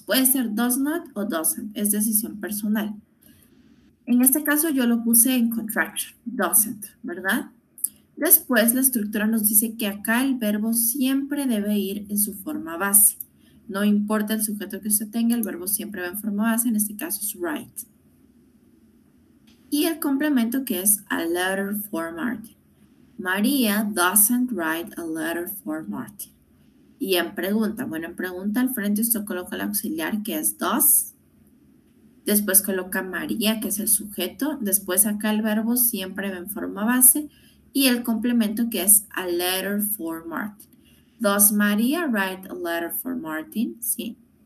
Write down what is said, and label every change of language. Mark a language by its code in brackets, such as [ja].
[es] Puede ser does not o doesn't, es decisión personal. En este caso yo lo puse en contraction, doesn't, ¿verdad? Después, la estructura nos dice que acá el verbo siempre debe ir en su forma base. No importa el sujeto que usted tenga, el verbo siempre va en forma base, en este caso es write. Y el complemento que es [en] a letter for Martin. María doesn't write a letter for Martin. [es] Y en pregunta, bueno, en pregunta al frente usted coloca el auxiliar que es does. Después coloca María, que es el sujeto. Después acá el verbo siempre va en forma base. Y el complemento que es [en] a letter for Martin. ¿Does María write a letter for Martin? ¿Sí?